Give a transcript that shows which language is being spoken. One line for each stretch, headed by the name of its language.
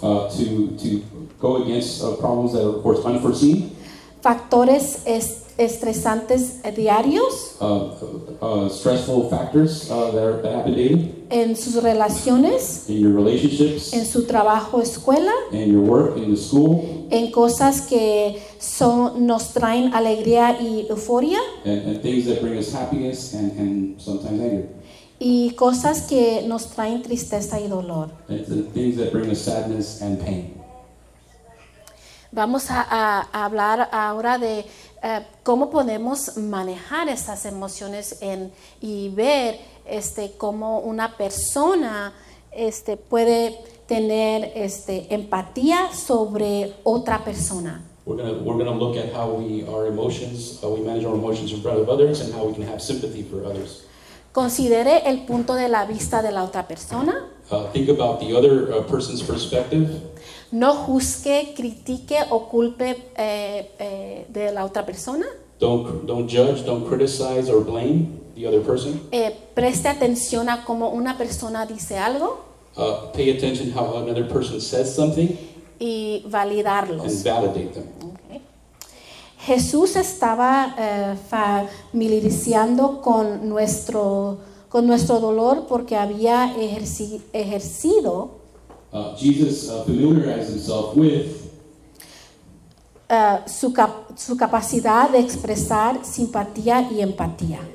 English: to go against problems that are of course unforeseen.
Spanish: Factores estresantes diarios.
English: Stressful factors that happen daily.
Spanish: En sus relaciones.
English: In your relationships.
Spanish: En su trabajo, escuela.
English: In your work, in the school.
Spanish: En cosas que nos traen alegría y euforia.
English: And things that bring us happiness and sometimes anger.
Spanish: Y cosas que nos traen tristeza y dolor.
English: And things that bring us sadness and pain.
Spanish: Vamos a hablar ahora de cómo podemos manejar esas emociones y ver cómo una persona puede tener empatía sobre otra persona.
English: We're gonna look at how we manage our emotions in front of others and how we can have sympathy for others.
Spanish: Considere el punto de la vista de la otra persona.
English: Think about the other person's perspective.
Spanish: No juzgue, critique o culpe de la otra persona.
English: Don't judge, don't criticize or blame the other person.
Spanish: Preste atención a cómo una persona dice algo.
English: Pay attention how another person says something.
Spanish: Y validarlos.
English: And validate them. Okay.
Spanish: Jesús estaba familiarizando con nuestro dolor porque había ejercido.
English: Jesus familiarized himself with
Spanish: su capacidad de expresar simpatía y empatía.